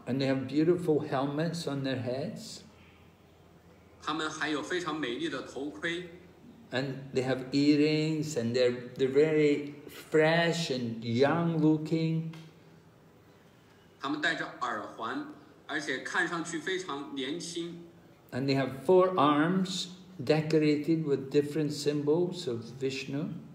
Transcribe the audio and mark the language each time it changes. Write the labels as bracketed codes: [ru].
[en] And they have beautiful helmets on their heads. [zh] 他们还有非常美丽的头盔。 [en] And they have earrings, and they're very fresh and young looking. [zh] 他们戴着耳环，而且看上去非常年轻。 [en] And they have four arms decorated with different symbols of Vishnu.